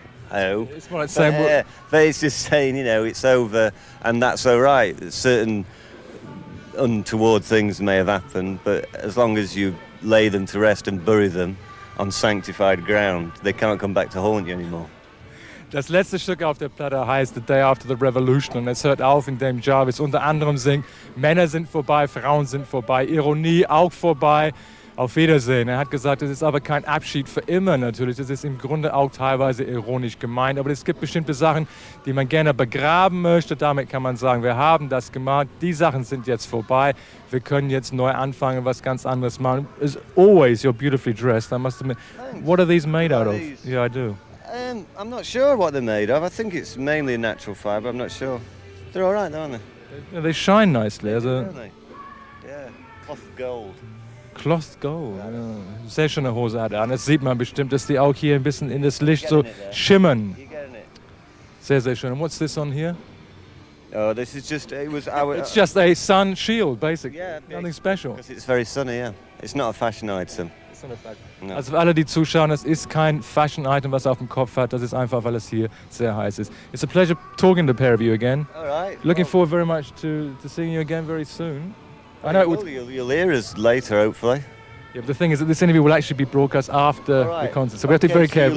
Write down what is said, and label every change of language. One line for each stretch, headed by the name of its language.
English: I hope. It's more like saying, but it's just saying, you know, it's over and that's all right. Certain untoward things may have happened, but as long as you lay them to rest and bury them on sanctified ground, they cannot come back to haunt you anymore.
German: Das letzte Stück auf der Platte heißt The Day After the Revolution und es hört auf, in dem Jarvis unter anderem singt, Männer sind vorbei, Frauen sind vorbei, Ironie auch vorbei, auf Wiedersehen. Er hat gesagt, es ist aber kein Abschied für immer natürlich, das ist im Grunde auch teilweise ironisch gemeint, aber es gibt bestimmte Sachen, die man gerne begraben möchte, damit kann man sagen, wir haben das gemacht, die Sachen sind jetzt vorbei, wir können jetzt neu anfangen, was ganz anderes machen.
English: As always, you're beautifully dressed, I must admit. Thanks. What are these made out of? Yeah, I do. I'm not sure what they're made of. I think it's mainly a natural fiber. I'm not sure. They're all right, though, aren't they? Yeah, they shine nicely. Yeah, really? Yeah. Cloth gold. Cloth gold. Yeah.
German: Sehr schöne Hose hat er an. Das sieht man bestimmt, dass die auch hier ein bisschen in das Licht so schimmern.
English: You're getting it.
German: Sehr, sehr schön.
English: And what's this on here? Oh, this is just, it was our... It's just a sun shield, basically. Yeah. Nothing special. Because it's very sunny, yeah. It's not a fashion item. No.
German: Also für alle, die zuschauen, es ist kein Fashion-Item, was er auf dem Kopf hat. Das ist einfach, weil es hier sehr heiß ist.
English: It's a pleasure talking to the pair of you again. All right. Looking forward very much to seeing you again very soon. I know you'll hear us later, hopefully. Yeah, but the thing is that this interview will actually be broadcast after the concert. So we have to be very careful.